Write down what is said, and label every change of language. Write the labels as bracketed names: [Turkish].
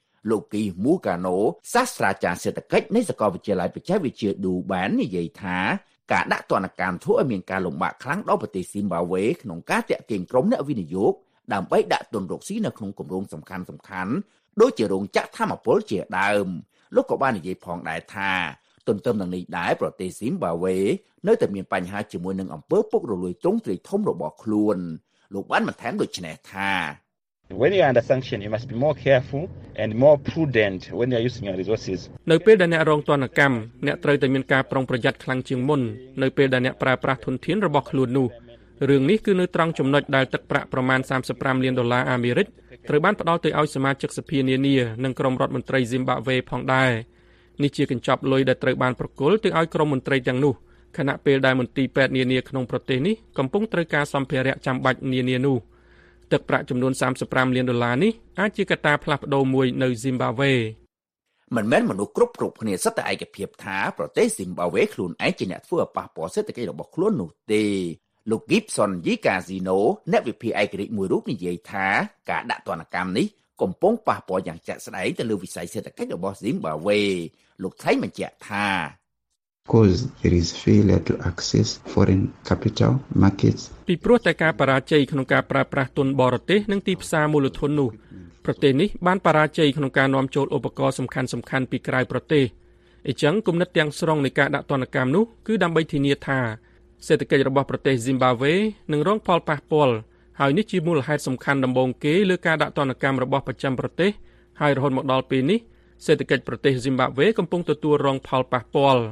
[Khmer] លោកគីមូកាណូសាស្ត្រាចារ្យសេដ្ឋកិច្ចនៃសាកលវិទ្យាល័យបច្ចេកវិទ្យាឌូបាននិយាយថាការដាក់ទណ្ឌកម្មធ្វើឱ្យមានការលំបាកខ្លាំងដល់ប្រទេសស៊ីម៉ាវេក្នុងការទាក់ទាញក្រុមអ្នកវិនិយោគដើម្បីដាក់ទុនរកស៊ីនៅក្នុងគម្រោងសំខាន់សំខាន់ដូចជារោងចក្រធម្មពលជាដើមលោកក៏បាននិយាយផងដែរថាទន្ទឹមនឹងនេះដែរប្រទេសស៊ីមបាវេនៅតែមានបញ្ហាជាមួយនឹងអំពើពុករលួយទ្រង់ទ្រាយធំរបស់ខ្លួនលោកបានបន្ថែមដូចនេះថា [English] When you are under sanction you must be more careful and more prudent when you are using your resources [Khmer] នៅពេលដែលអ្នករងទណ្ឌកម្មអ្នកត្រូវតែមានការប្រុងប្រយ័ត្នខ្លាំងជាងមុននៅពេលដែលអ្នកប្រើប្រាស់ធនធានរបស់ខ្លួននោះរឿងនេះគឺនៅត្រង់ចំណុចដែលទឹកប្រាក់ប្រមាណ35លានដុល្លារអាមេរិកត្រូវបានផ្ដល់ទៅឲ្យសមាជិកសភានានានិងក្រុមរដ្ឋមន្ត្រីស៊ីមបាវេផងដែរនេះជាកញ្ចប់លុយដែលត្រូវបានប្រគល់ទៅឲ្យក្រុមមន្ត្រីទាំងនោះខណៈពេលដែលមន្ទីរពេទ្យនានាក្នុងប្រទេសនេះកំពុងត្រូវការសម្ភារៈចាំបាច់នានានោះទឹកប្រាក់ចំនួន35លានដុល្លារនេះអាចជាកត្តាផ្លាស់ប្ដូរមួយនៅស៊ីមបាវេ មិនមែនមនុស្សគ្រប់គ្នាសុទ្ធតែឯកភាពថាប្រទេសស៊ីមបាវេខ្លួនឯងជាអ្នកធ្វើអប៉ះពាល់សេដ្ឋកិច្ចរបស់ខ្លួននោះទេលោក Gibson យីកាស៊ីណូអ្នកវិភាគអេកេរិកមួយរូបនិយាយថាការដាក់ទណ្ឌកម្មនេះកំពុងប៉ះពាល់យ៉ាងជាក់ស្ដែងទៅលើវិស័យសេដ្ឋកិច្ចរបស់ Zimbabwe លោកថៃបញ្ជាក់ថា [English] Cause there is failure to access foreign capital markets [Khmer] ពីព្រោះតែការបរាជ័យក្នុងការប្រើប្រាស់ទុនបរទេសនិងទីផ្សារមូលធននោះប្រទេសនេះបានបរាជ័យក្នុងការនាំចូលឧបករណ៍សំខាន់ៗពីក្រៅប្រទេសអញ្ចឹងគំនិតទាំងស្រុងនៃការដាក់ទណ្ឌកម្មនោះគឺដើម្បីធានាថាសេដ្ឋកិច្ចរបស់ប្រទេសស៊ីមបាវេនឹងរងផលប៉ះពាល់ហើយនេះជាមូលហេតុសំខាន់ដំបូងគេលើការដាក់ទណ្ឌកម្មរបស់ប្រចាំប្រទេសហើយរហូតមកដល់ពេលនេះសេដ្ឋកិច្ចប្រទេសស៊ីមបាវេកំពុងទទួលរងផលប៉ះពាល